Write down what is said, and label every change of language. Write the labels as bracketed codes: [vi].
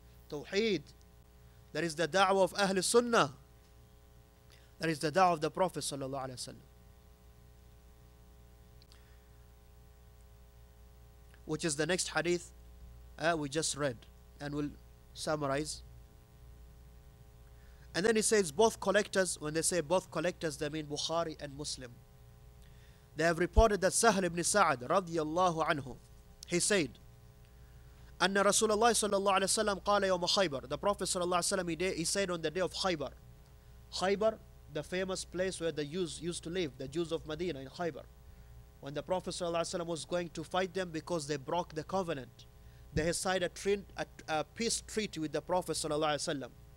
[en] Tawheed, that is the da'wah of Ahl Sunnah, that is the da'wah of the Prophet sallallahu alayhi wa sallam, which is the next hadith we just read. And we'll summarize. And then he says, both collectors, when they say both collectors, they mean Bukhari and Muslim. They have reported that Sahl ibn Sa'd, radiallahu anhu, he said, [ar] أن رسول الله صلى الله عليه وسلم قال يوم خيبر. [en] The Prophet صلى الله عليه وسلم he said on the day of Khaybar. Khaybar, the famous place where the Jews used to live, the Jews of Medina in Khaybar. When the Prophet صلى الله عليه وسلم was going to fight them because they broke the covenant, they had signed a peace treaty with the Prophet صلى الله عليه وسلم.